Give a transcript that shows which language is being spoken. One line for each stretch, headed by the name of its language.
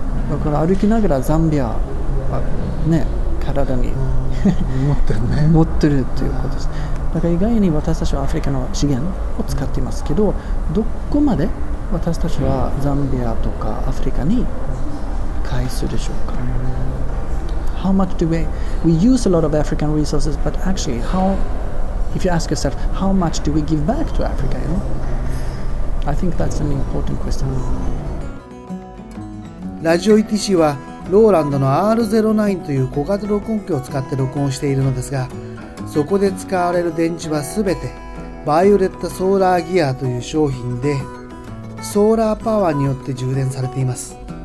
Japanese: だから歩きながらザンビアはね、体に、持ってるね、持ってるっていうことです。だから意外に私たちはアフリカの資源を使っていますけど、どこまで私たちはザンビアとかアフリカに返すでしょうか。
English: How much do we use a lot of African resources, but actually how, if you ask yourself, how much do we give back to Africa, you know? I think that's an important question.
Japanese: ラジオ ETC はローランドの R09 という小型録音機を使って録音しているのですが、そこで使われる電池はすべてバイオレットソーラーギアという商品で、ソーラーパワーによって充電されています。